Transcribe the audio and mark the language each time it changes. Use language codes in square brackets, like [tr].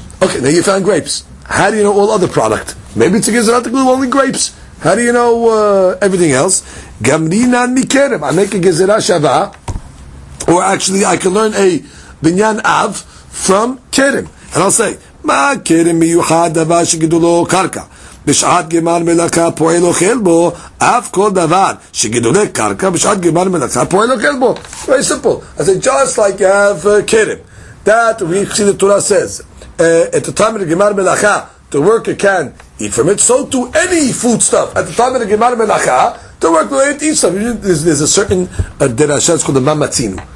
[en] Okay, now you found grapes. How do you know all other product? Maybe it's a Gezerat Glue, only grapes. How do you know everything else? Gamrinan Mikerem, I make a Gezerah Shava. Or actually, I can learn a Binyan Av from Kerem. And I'll say, [he] Ma Kerem Miyuhad Dava Shigidulo Karka. בשעת גמר מלאכה פועל אוכל בו, אף כל דבר שגידולי קרקע בשעת גמר מלאכה פועל אוכל בו. [en] Very simple. I said, just like you have kerem. That, we see the Torah says, at the time of the gemar מלאכה, the worker can eat from it, so too any food stuff. At the time of the gemar מלאכה, the worker can eat stuff. There's a certain derashah, it's called the mamatzinu.